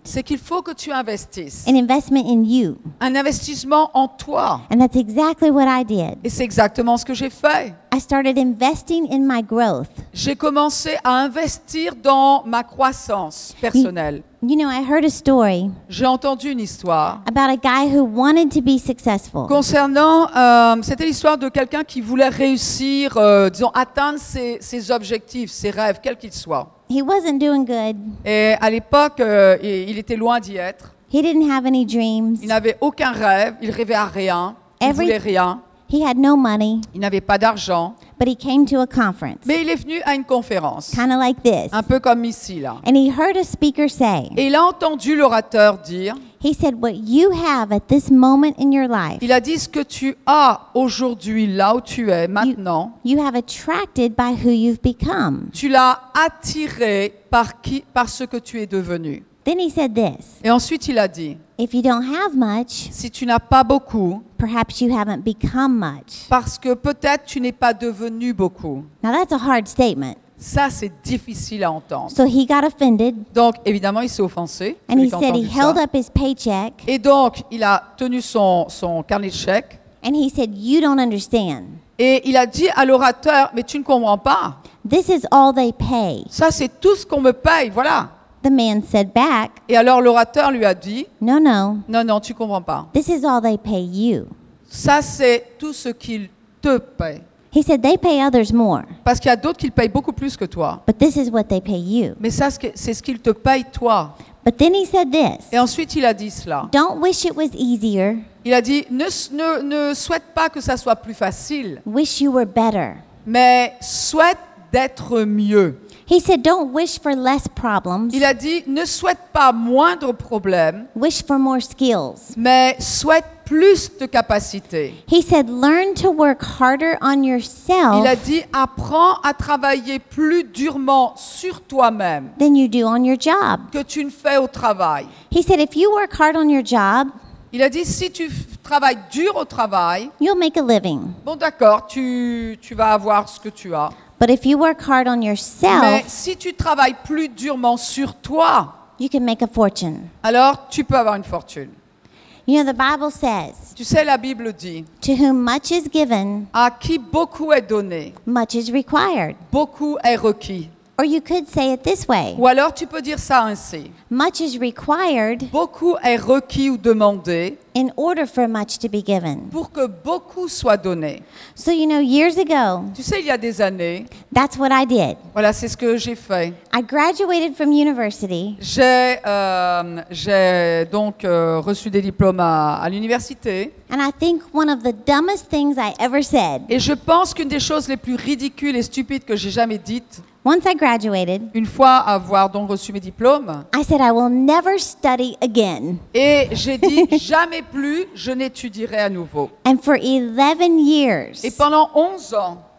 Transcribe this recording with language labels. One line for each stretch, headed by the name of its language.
French: C'est qu'il faut que tu investisses.
English: An investment in you.
French: Un investissement en toi.
English: And that's exactly what I did.
French: Et c'est exactement ce que j'ai fait.
English: I started investing in my growth.
French: J'ai commencé à investir dans ma croissance personnelle.
English: You know, I heard a story.
French: J'ai entendu une histoire.
English: About a guy who wanted to be successful.
French: Concernant, c'était l'histoire de quelqu'un qui voulait réussir, disons, atteindre ses objectifs, ses rêves, quels qu'ils soient.
English: He wasn't doing good.
French: Et à l'époque, il était loin d'y être.
English: He didn't have any dreams.
French: Il n'avait aucun rêve. Il rêvait à rien. Il voulait rien.
English: He had no money.
French: Il n'avait pas d'argent.
English: But he came to a conference.
French: Mais il est venu à une conférence.
English: Kind of like this.
French: Un peu comme ici là.
English: And he heard a speaker say.
French: Et il a entendu l'orateur dire.
English: He said what you have at this moment in your life.
French: Il a dit ce que tu as aujourd'hui là où tu es maintenant.
English: You have attracted by who you've become.
French: Tu l'as attiré par ce que tu es devenu.
English: Then he said this.
French: Et ensuite il a dit.
English: If you don't have much,
French: si tu n'as pas beaucoup,
English: perhaps you haven't become much.
French: Parce que peut-être tu n'es pas devenu beaucoup.
English: Now that's a hard statement.
French: Ça, c'est difficile à entendre.
English: So he got offended.
French: Donc, évidemment, il s'est offensé.
English: And he said he held up his paycheck.
French: Et donc, il a tenu son carnet de chèque.
English: And he said, you don't understand.
French: Et il a dit à l'orateur, mais tu ne comprends pas.
English: This is all they pay.
French: Ça, c'est tout ce qu'on me paye, voilà.
English: The man said back.
French: Et alors l'orateur lui a dit.
English: No, no.
French: Non, non, tu comprends pas.
English: This is all they pay you.
French: Ça c'est tout ce qu'ils te paient.
English: He said they pay others more.
French: Parce qu'il y a d'autres qui payent beaucoup plus que toi.
English: But this is what they pay you.
French: Mais ça c'est ce qu'ils te paient toi.
English: But then he said this.
French: Et ensuite il a dit cela.
English: Don't wish it was easier.
French: Il a dit ne souhaite pas que ça soit plus facile.
English: Wish you were better.
French: Mais souhaite d'être mieux.
English: He said, "Don't wish for less problems."
French: Il a dit, ne souhaite pas moins de problèmes.
English: Wish for more skills.
French: Mais souhaite plus de capacités.
English: He said, "Learn to work harder on yourself."
French: Il a dit, apprends à travailler plus durement sur toi-même.
English: Than you do on your job.
French: Que tu ne fais au travail.
English: He said, "If you work hard on your job."
French: Il a dit, si tu travailles dur au travail.
English: You'll make a living.
French: Bon, d'accord, tu vas avoir ce que tu as.
English: But if you work hard on yourself,
French: mais si tu travailles plus durement sur toi,
English: you can make a fortune.
French: Alors tu peux avoir une fortune.
English: You know, the Bible says,
French: tu sais, la Bible dit,
English: to whom much is given,
French: à qui beaucoup est donné,
English: much is required.
French: Beaucoup est requis.
English: Or you could say it this way,
French: ou alors tu peux dire ça ainsi,
English: much is required,
French: beaucoup est requis ou demandé,
English: in order for much to be given.
French: Pour que beaucoup soit donné.
English: So you know, years ago,
French: tu sais, il y a des années,
English: that's what I did.
French: Voilà, c'est ce que j'ai fait.
English: I graduated from university.
French: J'ai donc reçu des diplômes à l'université.
English: And I think one of the dumbest things I ever said.
French: Et je pense qu'une des choses les plus ridicules et stupides que j'ai jamais dites.
English: Once I graduated,
French: une fois avoir donc reçu mes diplômes,
English: I said I will never study again.
French: Et j'ai dit jamais plus je n'étudierai à nouveau.
English: And for 11 years,
French: et pendant 11 ans,